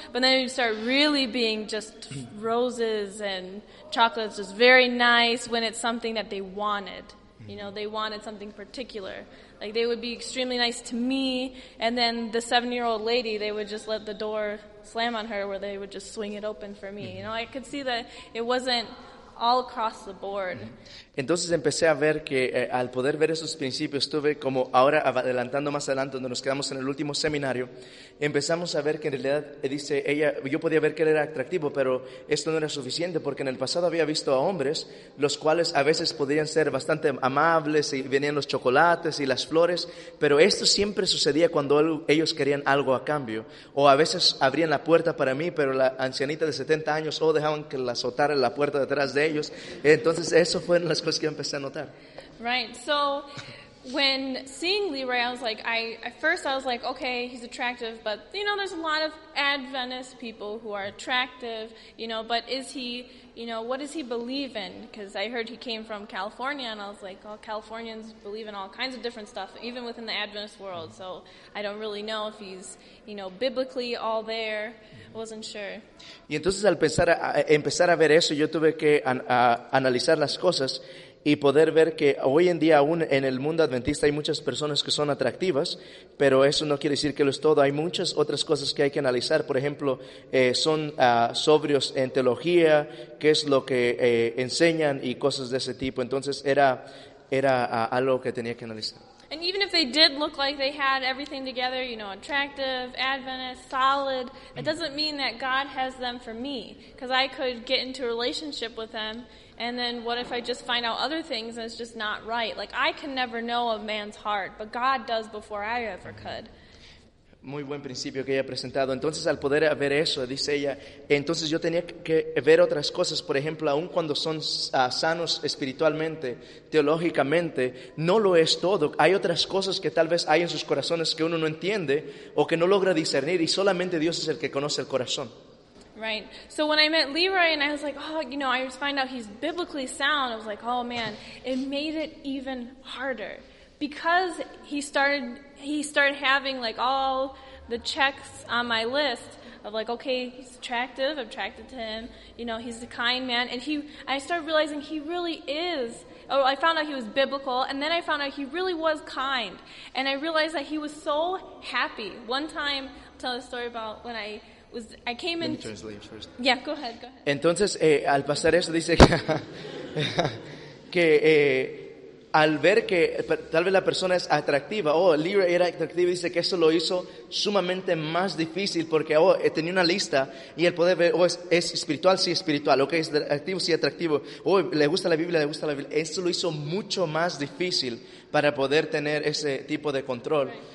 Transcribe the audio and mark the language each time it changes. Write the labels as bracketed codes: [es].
[en] But then you start really being just roses and chocolates, just very nice when it's something that they wanted. You know, they wanted something particular. Like, they would be extremely nice to me. And then the seven-year-old lady, they would just let the door slam on her where they would just swing it open for me. You know, I could see that it wasn't all across the board. [es] Entonces empecé a ver que al poder ver esos principios, tuve como ahora adelantando más adelante donde nos quedamos en el último seminario, empezamos a ver que en realidad, dice ella, yo podía ver que él era atractivo, pero esto no era suficiente porque en el pasado había visto a hombres los cuales a veces podían ser bastante amables y venían los chocolates y las flores, pero esto siempre sucedía cuando ellos querían algo a cambio, o a veces abrían la puerta para mí, pero la ancianita de 70 años o dejaban que la azotara en la puerta detrás de ellos. Entonces eso fue las cosas que empecé a notar. [en] Right, so when seeing Leroy, I was like, I was like, okay, he's attractive, but you know, there's a lot of Adventist people who are attractive, you know, but is he, you know, what does he believe in? Because I heard he came from California, and I was like, oh, Californians believe in all kinds of different stuff, even within the Adventist world, so I don't really know if he's, you know, biblically all there. I wasn't sure. [es] Y entonces al empezar a ver eso, yo tuve que analizar las cosas, y poder ver que hoy en día aún en el mundo adventista hay muchas personas que son atractivas, pero eso no quiere decir que lo es todo. Hay muchas otras cosas que hay que analizar. Por ejemplo, son sobrios en teología, qué es lo que enseñan y cosas de ese tipo. Entonces era algo que tenía que analizar. [en] And even if they did look like they had everything together, you know, attractive, Adventist, solid, it doesn't mean that God has them for me, because I could get into a relationship with them. And then what if I just find out other things and it's just not right? Like, I can never know a man's heart, but God does before I ever could. [es] Muy buen principio que ella ha presentado. Entonces, al poder ver eso, dice ella, entonces yo tenía que ver otras cosas. Por ejemplo, aun cuando son sanos espiritualmente, teológicamente, no lo es todo. Hay otras cosas que tal vez hay en sus corazones que uno no entiende o que no logra discernir, y solamente Dios es el que conoce el corazón. [en] Right. So when I met Leroy and I was like, oh, you know, I just find out he's biblically sound, I was like, oh man, it made it even harder. Because he started having like all the checks on my list of like, okay, he's attractive, I'm attracted to him, you know, he's a kind man. And I started realizing he really is. Oh, I found out he was biblical, and then I found out he really was kind. And I realized that he was so happy. One time, I'll tell a story about when I came in. Let me translate first. Yeah, go ahead. [es] Entonces, al pasar eso, dice que al ver que tal vez la persona es atractiva, Leroy era atractivo, dice que eso lo hizo sumamente más difícil porque tenía una lista y el poder ver, es espiritual, sí, espiritual, ok, es atractivo, sí, atractivo, le gusta la Biblia, eso lo hizo mucho más difícil para poder tener ese tipo de control. [en] Right.